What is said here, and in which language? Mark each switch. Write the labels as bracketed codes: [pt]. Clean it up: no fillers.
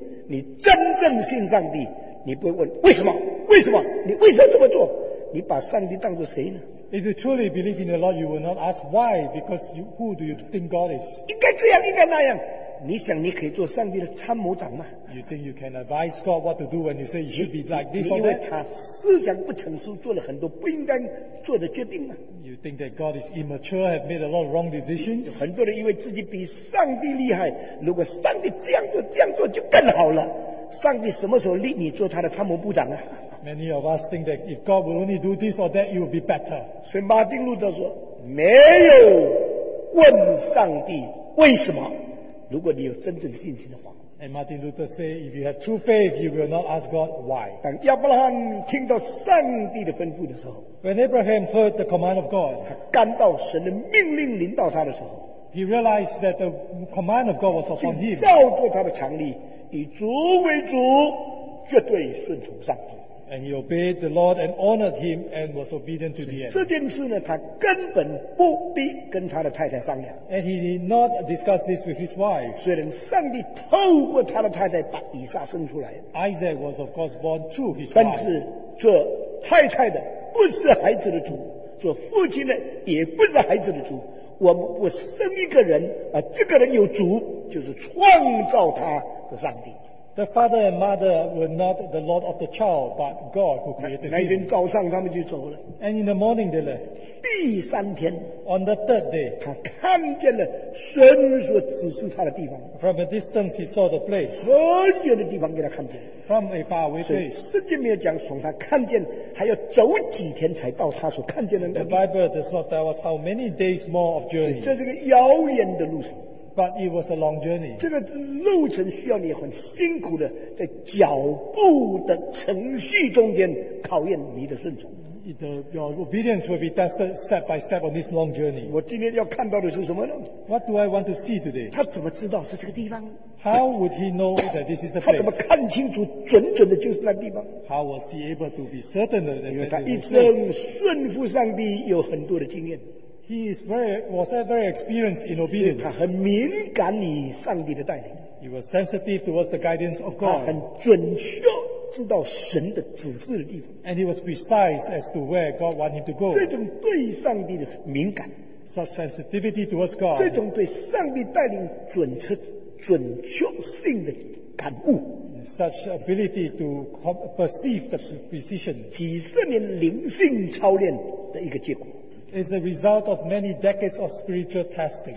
[zh] 你真正信上帝，你不会问为什么？为什么？你为什么这么做？你把上帝当作谁呢？ [en] If you truly believe in the Lord, you will not ask why, because you, who do you think God is? [zh] 应该这样，应该那样。你想你可以做上帝的参谋长吗？ [en] You think you can advise God what to do when you say you should be like this or that? [zh] 因为他思想不成熟，做了很多不应该做的决定吗？ [en] You think that God is immature, have made a lot of wrong decisions? [zh] 很多人以为自己比上帝厉害，如果上帝这样做，这样做就更好了。上帝什么时候立你做他的参谋部长啊？ [en] Many of us think that if God will only do this or that, it will be better. [zh] 所以马丁路德说，没有问上帝为什么，如果你有真正信心的话。 [en] And Martin Luther said, if you have true faith, you will not ask God why. [zh] 当亚伯拉罕听到上帝的吩咐的时候， [en] When Abraham heard the command of God, [zh] 他感到神的命令临到他的时候， [en] He realized that the command of God was upon him. [zh] 照做他的常理，以主为主，绝对顺从上帝。 [en] And he obeyed the Lord and honored him and was obedient to the end. [zh] 这件事呢，他根本不必跟他的太太商量。 [en] And he did not discuss this with his wife. [zh] 虽然上帝透过他的太太把以撒生出来。 [en] Isaac was of course born through his wife. [zh] 但是做太太的不是孩子的主，做父亲的也不是孩子的主。我们不生一个人，而这个人有主，就是创造他的上帝。 [en] The father and mother were not the Lord of the child, but God who created him. [zh] 那天早上他们就走了。 [en] And in the morning they left. [zh] 第三天。 [en] On the third day. [zh] 他看见了神所指示他的地方。 [en] From a distance he saw the place. [zh] 很远的地方给他看见。 [en] From a far away place. [zh] 所以圣经没有讲从他看见还要走几天才到他所看见的那里。 [en] The Bible does not tell us how many days more of journey. [zh] 这是个遥远的路程。 [en] But it was a long journey. [zh] 这个路程需要你很辛苦的在脚步的程序中间考验你的顺从。 [en] Your obedience will be tested step by step on this long journey. [zh] 我今天要看到的是什么呢？ [en] What do I want to see today? [zh] 他怎么知道是这个地方？ [en] How would he know that this is the place? [zh] 他怎么看清楚准准的就是那地方？ [en] How was he able to be certain that it was? [zh] 因为他一生顺服上帝有很多的经验。 [en] He is was very experienced in obedience. [zh] 他很敏感你上帝的带领。 [en] He was sensitive towards the guidance of God. [zh] 他很准确知道神的指示的地方。 [en] And he was precise as to where God wanted him to go. [zh] 这种对上帝的敏感。 [en] Such sensitivity towards God. [zh] 这种对上帝带领准确性的感悟。 [en] Such ability to perceive the precision. [zh] 几十年灵性操练的一个结果。 [en] Is a result of many decades of spiritual testing.